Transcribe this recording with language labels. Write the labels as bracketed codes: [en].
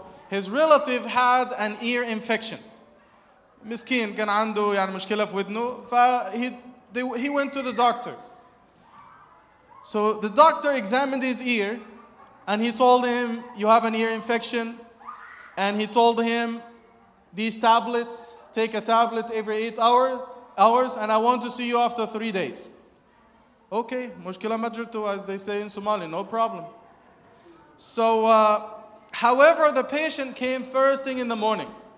[en] his relative had an ear infection. [ar] مسكين كان عنده يعني مشكلة في ودنه [en] he went to the doctor. So the doctor examined his ear and he told him, you have an ear infection. And he told him, these tablets, take a tablet every 8 hours and I want to see you after 3 days. Okay, [so] مشكلة مجرته [en] as they say in Somali, no problem. So however, the patient came first thing in the morning.